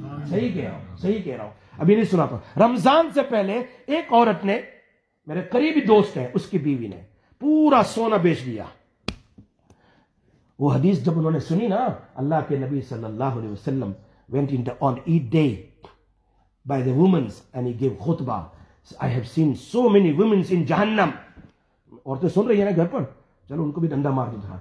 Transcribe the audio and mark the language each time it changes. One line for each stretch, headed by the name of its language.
Urdu: صحیح کہہ رہا ہوں, صحیح کہہ رہا ہوں. ابھی نہیں سنا تھا, رمضان سے پہلے ایک عورت نے, میرے قریبی دوست ہیں, اس کی بیوی نے پورا سونا بیچ دیا. وہ حدیث جب انہوں نے سنی نا, اللہ کے نبی صلی اللہ علیہ وسلم
English: went in the, on Eid day by the women's and he gave khutbah. I have seen so many women's in Jahannam.
Urdu: عورتیں سن رہی ہیں گھر پر, چلو ان کو بھی ڈنڈا مار دو.